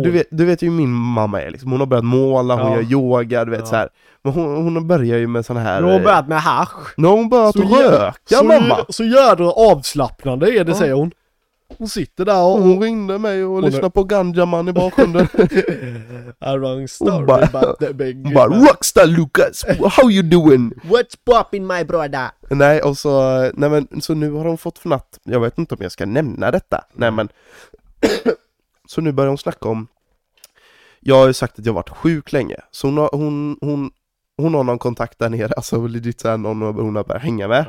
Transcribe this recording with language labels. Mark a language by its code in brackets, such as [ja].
[sv] Du vet ju min mamma är liksom. Hon har börjat måla, hon gör yoga, du vet, så här. Men hon börjar ju med sån här. Hon har börjat med hasch. Nej, hon börjat så röka, så mamma. Så gör du avslappnande, är det, säger hon. Hon sitter där och hon ringde mig och lyssnar på Ganja Man i bakgrunden. [en] A wrong story about the big man. Rockstar Lucas, how you doing? What's poppin' my brother? [sv] Nej, och så, nej men, så nu har hon fått för natt. Jag vet inte om jag ska nämna detta. Nej, men så nu börjar hon snacka om. Jag har ju sagt att jag har varit sjuk länge. Så hon har någon kontakt där nere. Alltså legit såhär någon hon har börjat hänga med.